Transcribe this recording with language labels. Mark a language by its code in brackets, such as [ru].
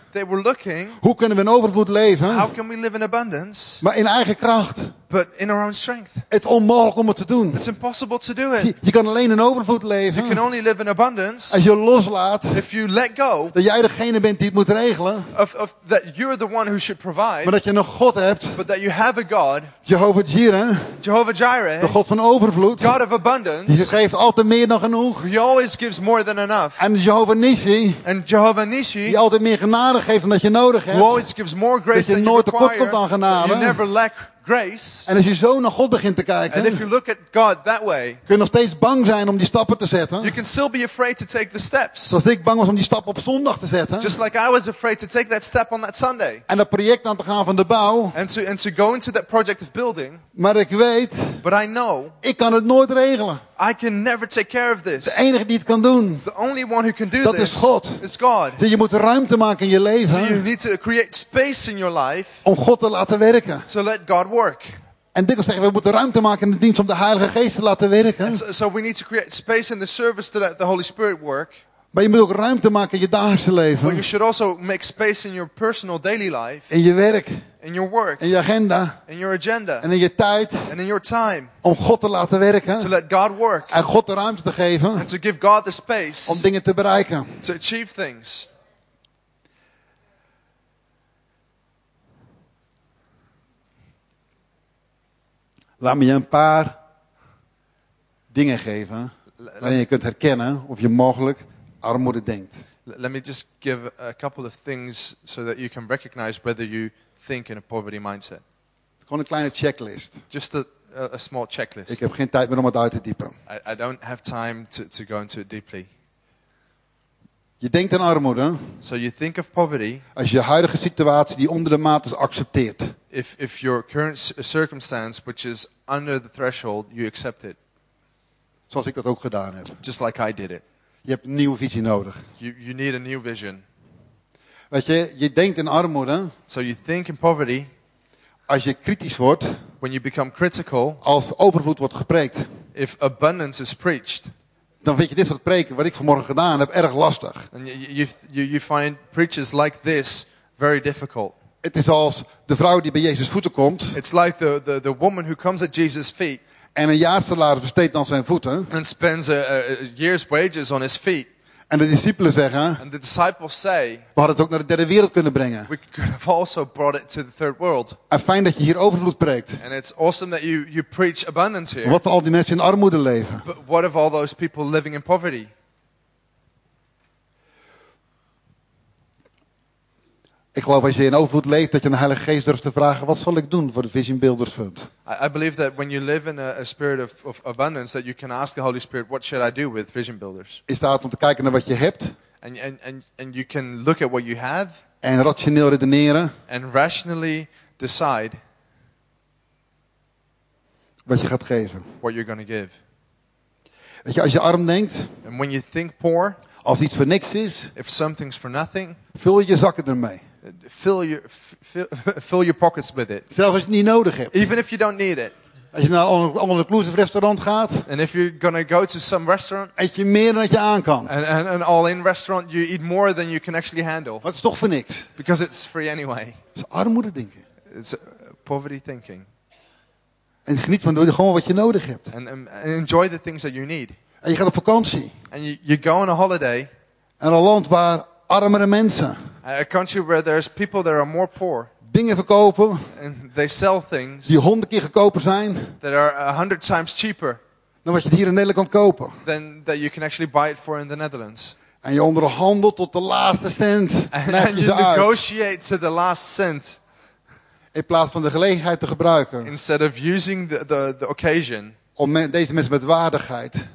[en] They were looking. [nl] Hoe kunnen we in overvloed leven? [en] How can we live in abundance? [nl] Maar in eigen kracht. [en] But in our own strength. [nl] Het is onmogelijk om het te doen. [en] It's impossible to do it. [nl] Je kan alleen in overvloed leven. [en] You can only live in abundance. [nl] Als je loslaat. [en] If you let go. [nl] Dat jij degene bent die het moet regelen. [en] Of that you're the one who should provide. [nl] Maar dat je een God hebt. [en] But that you have a God. [nl] Jehovah Jireh. [en] Jehovah Jireh. [nl] De God van overvloed. [en] God of abundance. [nl] Die geeft altijd meer dan genoeg. [en] He always gives more than enough. [nl] En Jehovah Nissi. [en] And Jehovah Nissi. [nl] Die altijd meer genade geeft dan dat je nodig hebt. [en] Who always gives more grace than you require. [nl] Dat je nooit tekort komt aan genade. [en] You never lack. Grace, [nl] en als je zo naar God begint te kijken, [en] and if you look at God that way, [nl] kun je nog steeds bang zijn om die stappen te zetten. [en] You can still be afraid to take the steps. [nl] Zoals ik bang was om die stap op zondag te zetten. [en] Just like I was afraid to take that step on that Sunday. [nl] En dat project aan te gaan van de bouw. [en] And to go into that project of building. [nl] Maar ik weet. [en] But I know. [nl] Ik kan het nooit regelen. [en] I can never take care of this. [nl] De enige die het kan doen. [en] The only one who can do [nl] dat [en] this. [nl] Dat is God. [en] Is God. [nl] Dus je moet ruimte maken in je leven. [en] So you need to create space in your life. [nl] Om God te laten werken. [en] To let God work. [nl] En dikwijls zeggen we moeten ruimte maken in de dienst om de Heilige Geest te laten werken. [en] So we need to create space in the service to let the Holy Spirit work. [nl] Maar je moet ook ruimte maken in je dagelijkse leven. [en] But you should also make space in your personal daily life. [nl] In je werk. [en] In your work. [nl] In je agenda. [en] In your agenda. [nl] En in je tijd. [en] And in your time. [nl] Om God te laten werken. [en] To let God work. [nl] En God de ruimte te geven. [en] And to give God the space. [nl] Om dingen te bereiken. [en] To achieve things. [nl] Laat me je een paar dingen geven waarin je kunt herkennen of je mogelijk armoede denkt. [en] Let me just give a couple of things so that you can recognize whether you think in a poverty mindset. [nl] Gewoon een kleine checklist. [en] Just a small checklist. [nl] Ik heb geen tijd meer om het uit te diepen. [en] I don't have time to go into it deeply. [nl] Je denkt aan armoede. [en] So you think of poverty. [nl] Als je huidige situatie die onder de maat is accepteert. [en] If your current circumstance, which is under the threshold, you accept it. [nl] Zoals ik dat ook gedaan heb. [en] Just like I did it. [nl] Je hebt een nieuwe visie nodig. [en] You need a new vision. [nl] Weet je, je denkt in armoede. [en] So you think in poverty. [nl] Als je kritisch wordt. [en] When you become critical. [nl] Als overvloed wordt gepreekt. [en] If abundance is preached. [nl] Dan vind je dit soort preken, wat ik vanmorgen gedaan heb, erg lastig. [en] And you find preachers like this very difficult. [nl] Het is als de vrouw die bij Jezus voeten komt. [en] It's like the woman who comes at Jesus' feet. [nl] En een jaar salaris besteedt aan zijn voeten. [en] And spends a year's wages on his feet. [nl] En de discipelen zeggen. [en] And the disciples say. [nl] We hadden het ook naar de derde wereld kunnen brengen. [en] We could have also brought it to the third world. [nl] En fijn dat je hier overvloed preekt. [en] And it's awesome that you preach abundance here. [nl] Wat van al die mensen in armoede leven? [en] But what of all those people living in poverty? [nl] Ik geloof als je in overvloed leeft, dat je de Heilige Geest durft te vragen, wat zal ik doen voor het Vision Builders Fund? [en] I believe that when you live in a spirit of abundance, that you can ask the Holy Spirit, what should I do with Vision Builders? [nl] In staat om te kijken naar wat je hebt. [en] And you can look at what you have. [nl] En rationeel redeneren. [en] And rationally decide. [nl] Wat je gaat geven. [en] What you're going to give. [nl] Weet je, als je arm denkt. [en] And when you think poor. [nl] Als iets voor niks is. [en] If something's for nothing. [nl] Vul je zakken ermee. [en] Fill your pockets with it. [nl] Zelfs als je het niet nodig hebt. [en] Even if you don't need it. [nl] Als je naar een all-inclusive restaurant gaat. [en] And if you're gonna go to some restaurant. [nl] Eet je meer dan je aan kan. [en] And an all-in restaurant, you eat more than you can actually handle. [nl] Maar het is toch voor niks. [en] Because it's free anyway. [nl] Het is armoede denken. [en] It's poverty thinking. [nl] En geniet van gewoon wat je nodig hebt. [en] And enjoy the things that you need. [nl] En je gaat op vakantie. [en] And you go on a holiday. [nl] En een land waar armere mensen. [en] A country where there's people that are more poor. [nl] Dingen verkopen. [en] And they sell things. [nl] Die 100 keer goedkoper zijn. [en] That are 100 times cheaper. [nl] Dan wat je hier in Nederland kan kopen. [en] Than that you can actually buy it for in the Netherlands. [nl] En je onderhandelt tot de laatste cent. [en] And you negotiate to the last cent. [nl] In plaats van de gelegenheid te gebruiken. [en] Instead of using the occasion. [nl] Om deze mensen met waardigheid.